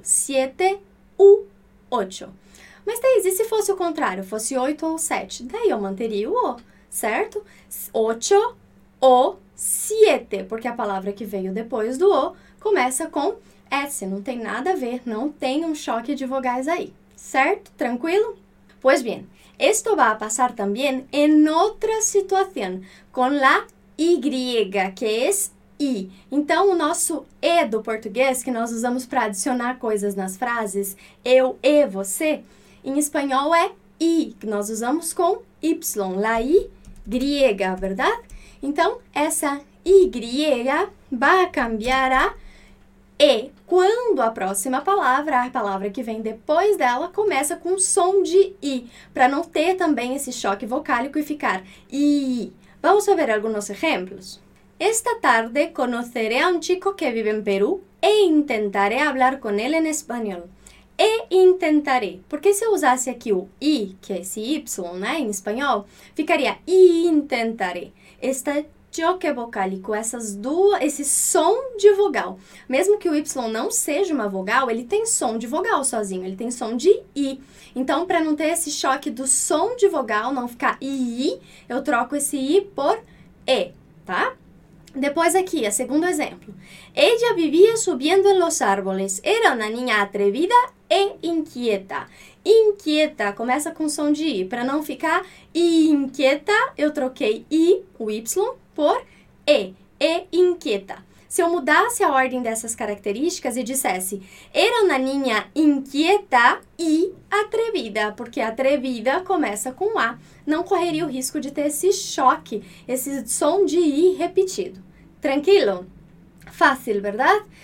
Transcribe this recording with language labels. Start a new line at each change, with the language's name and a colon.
Portuguese: 7 u 8. Mas, Thaís, e se fosse o contrário, fosse 8 ou 7? Daí eu manteria o O, certo? 8 ou 7, porque a palavra que veio depois do O começa com S, não tem nada a ver, não tem um choque de vogais aí. Certo? Tranquilo?
Spanish: Pois bem, esto va a pasar también en otra situación, con la Y, que es I.
Portuguese: Então, o nosso E do português, que nós usamos para adicionar coisas nas frases, eu e você, em espanhol é I, que nós usamos com Y, la Y, verdade? Então, essa Y
Spanish: va a cambiar a E,
Portuguese: quando a próxima palavra, a palavra que vem depois dela, começa com som de I, para não ter também esse choque vocálico e ficar I. Vamos ver alguns exemplos.
Spanish: Esta tarde conoceré a un chico que vive en Perú e intentaré hablar con él en español. E intentaré.
Portuguese: Porque se eu usasse aqui o I, que é esse Y, né, em espanhol, ficaria I intentaré. Esta choque vocálico, essas duas, esse som de vogal. Mesmo que o Y não seja uma vogal, ele tem som de vogal sozinho, ele tem som de I. Então, para não ter esse choque do som de vogal, não ficar I, eu troco esse I por E, tá? Depois aqui, a segundo exemplo.
Spanish: Ella vivia subiendo en los árboles. Era una niña atrevida e inquieta.
Portuguese: Inquieta começa com som de I. Para não ficar inquieta, eu troquei I, o Y, por E. E inquieta. Se eu mudasse a ordem dessas características e dissesse
Spanish: era una niña inquieta e atrevida,
Portuguese: porque atrevida começa com A, não correria o risco de ter esse choque, esse som de I repetido. Tranquilo? Fácil, verdade?